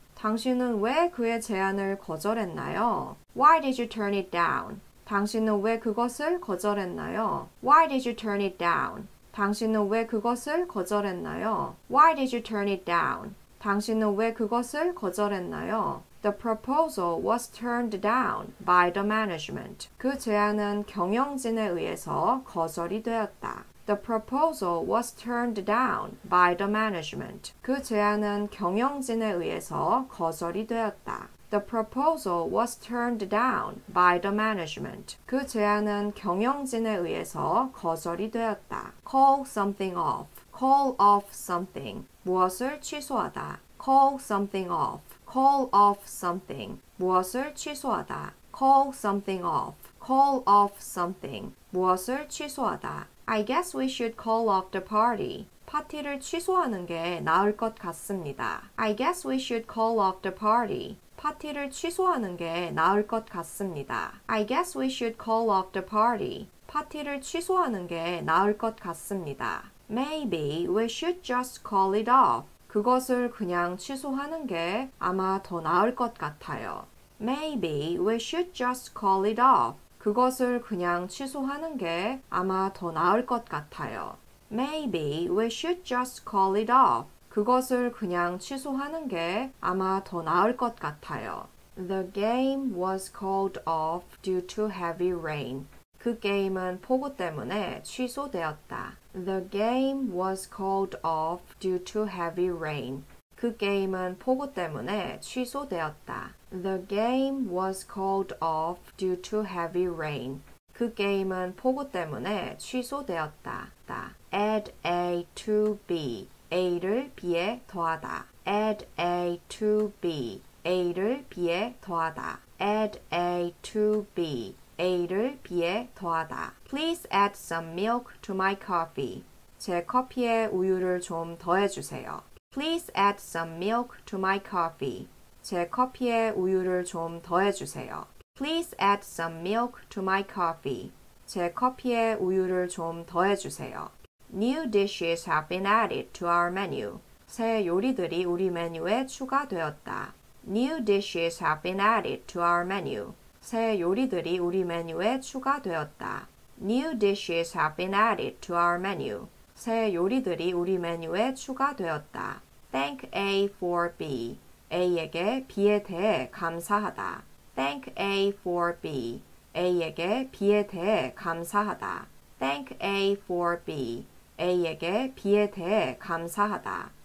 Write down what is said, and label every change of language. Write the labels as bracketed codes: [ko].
[ko] 당신은 왜 그의 제안을 거절했나요? [en] Why did you turn it down? [ko] 당신은 왜 그것을 거절했나요? [en] Why did you turn it down? [ko] 당신은 왜 그것을 거절했나요? [en] Why did you turn it down? [ko] 당신은 왜 그것을 거절했나요? [en] The proposal was turned down by the management. [ko] 그 제안은 경영진에 의해서 거절이 되었다. [en] The proposal was turned down by the management. [ko] 그 제안은 경영진에 의해서 거절이 되었다. [en] The proposal was turned down by the management. [ko] 그 제안은 경영진에 의해서 거절이 되었다. [en] Call something off. Call off something. [ko] 무엇을 취소하다. [en] Call something off. Call off something. [ko] 무엇을 취소하다. [en] Call something off. Call off something. [ko] 무엇을 취소하다. [en] I guess we should call off the party. [ko] 파티를 취소하는 게 나을 것 같습니다. [en] I guess we should call off the party. [ko] 파티를 취소하는 게 나을 것 같습니다. [en] I guess we should call off the party. [ko] 파티를 취소하는 게 나을 것 같습니다. [en] Maybe we should just call it off. [ko] 그것을 그냥 취소하는 게 아마 더 나을 것 같아요. [en] Maybe we should just call it off. [ko] 그것을 그냥 취소하는 게 아마 더 나을 것 같아요. [en] Maybe we should just call it off. [ko] 그것을 그냥 취소하는 게 아마 더 나을 것 같아요. [en] The game was called off due to heavy rain. [ko] 그 게임은 폭우 때문에 취소되었다. [en] The game was called off due to heavy rain. [ko] 그 게임은 폭우 때문에 취소되었다. [en] The game was called off due to heavy rain. [ko] 그 게임은 폭우 때문에 취소되었다. [en] Add A to B. [ko] A를 B에 더하다. [en] Add A to B. [ko] A를 B에 더하다. [en] Add A to B. [ko] A를 B에 더하다. [en] Please add some milk to my coffee. [ko] 제 커피에 우유를 좀 더해주세요. [en] Please add some milk to my coffee. [ko] 제 커피에 우유를 좀 더해주세요. [en] Please add some milk to my coffee. [ko] 제 커피에 우유를 좀 더해주세요. [en] New dishes have been added to our menu. [ko] 새 요리들이 우리 메뉴에 추가되었다. [en] New dishes have been added to our menu. [ko] 새 요리들이 우리 메뉴에 추가되었다. [en] New dishes have been added to our menu. [ko] 새 요리들이 우리 메뉴에 추가되었다. [en] Thank A for B. [ko] A에게 B에 대해 감사하다. [en] Thank A for B. [ko] A에게 B에 대해 감사하다. [en] Thank A for B. [ko] A에게 B에 대해 감사하다.